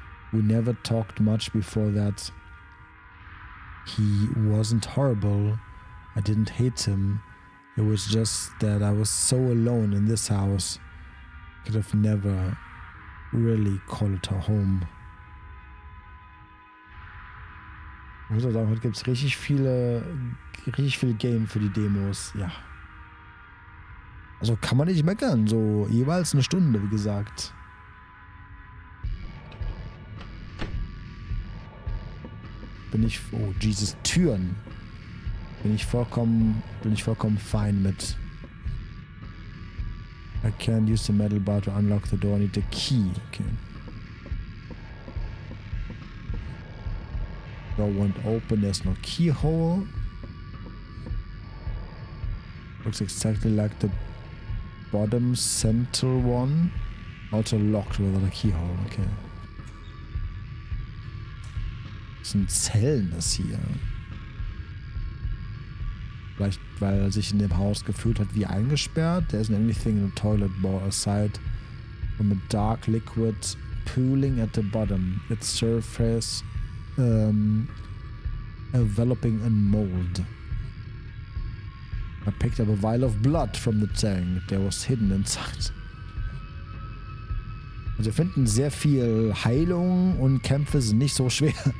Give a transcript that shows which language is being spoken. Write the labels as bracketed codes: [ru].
[en] We never talked much before that. He wasn't horrible. I didn't hate him. It was just that I was so alone in this house. Could have never really called it a home. [de] Ich muss sagen, heute gibt es richtig viel Game für die Demos, ja. Also kann man nicht meckern, so jeweils eine Stunde, wie gesagt. Bin ich, oh Jesus, Türen. Bin ich vollkommen fein mit. [en] I can't use the metal bar to unlock the door, I need the key, okay. Door won't open, there's no keyhole. Looks exactly like the bottom center one. Also locked without a keyhole, okay. [de] Was sind Zellen das hier? Vielleicht weil er sich in dem Haus gefühlt hat wie eingesperrt. [en] There isn't anything in the toilet bowl aside. From a dark liquid pooling at the bottom. Its surface enveloping a mold. I picked up a vial of blood from the tank. There was hidden inside. [de] Also wir finden sehr viel Heilung und Kämpfe sind nicht so schwer.